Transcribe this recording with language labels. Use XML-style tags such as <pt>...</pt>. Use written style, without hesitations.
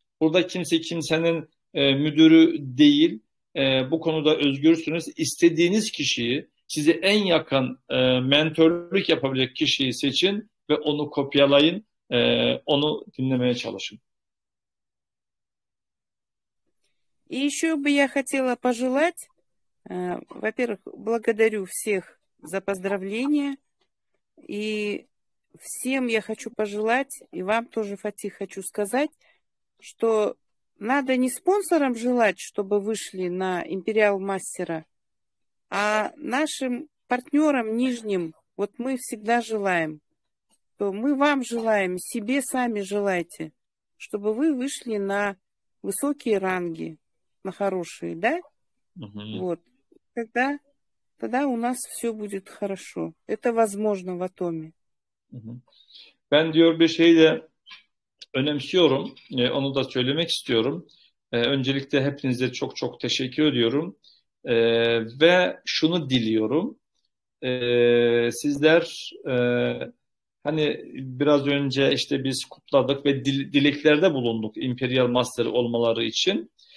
<tr>Burada kimse kimsenin müdürü değil. Bu konuda özgürsünüz. İstediğiniz kişiyi, size en yakın mentorluk yapabilecek kişiyi seçin ve onu kopyalayın, onu dinlemeye çalışın.</tr> <ru>И еще бы я хотела пожелать, во-первых, благодарю всех за поздравления, и всем я хочу пожелать, и вам тоже, Фатих, хочу сказать, что надо не спонсорам желать, чтобы вышли на Imperial Мастера, а нашим партнерам нижним, вот мы всегда желаем, то мы вам желаем, себе сами желайте, чтобы вы вышли на высокие ранги, на хорошие, да? Угу. Вот. Тогда у нас все будет хорошо. Это возможно в Атоме.</ru> <tr>Ben diyor bir şey de önemsiyorum. Onu da söylemek istiyorum. Öncelikle hepinize çok çok teşekkür ediyorum. Ve şunu diliyorum. Sizler hani biraz önce işte biz kutladık ve dileklerde bulunduk Imperial Master olmaları için.</tr>